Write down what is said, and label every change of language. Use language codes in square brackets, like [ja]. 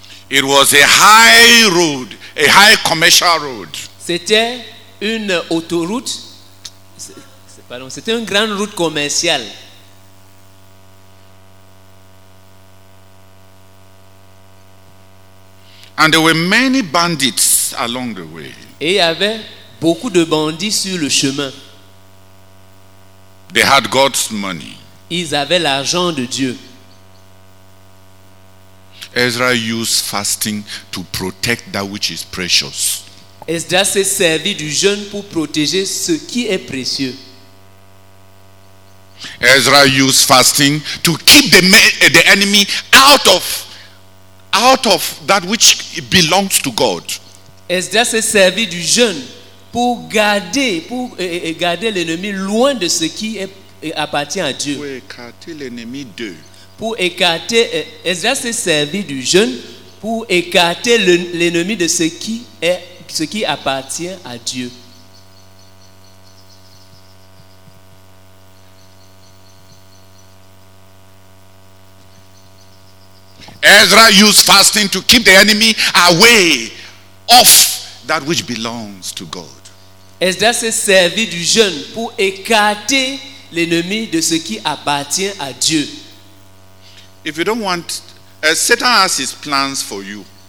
[en] It was a high road. A high commercial road. [fr] C'était une autoroute. C'était une grande route commerciale. [en] And there were many bandits along the way. [fr] Et il y avait beaucoup de bandits sur le chemin. [en] They had God's money. [fr] Ils avaient l'argent de Dieu. [en] Ezra used fasting to protect that which is precious. [fr] Ezra s'est servi du jeûne pour protéger ce qui est précieux. [en] Ezra used fasting to keep the enemy out of that which belongs to God. [fr] Ezra s'est servi du jeûne pour garder l'ennemi loin de ce qui appartient à Dieu. Pour écarter l'ennemi de. Pour écarter, Ezra s'est servi du jeûne pour écarter l'ennemi de ce qui appartient à Dieu. [en] Ezra used fasting to keep the enemy away off that which belongs to God. [fr] Ezra s'est servi du jeûne pour écarter l'ennemi de ce qui appartient à Dieu. [en] If you don't want, Satan has his plans for you.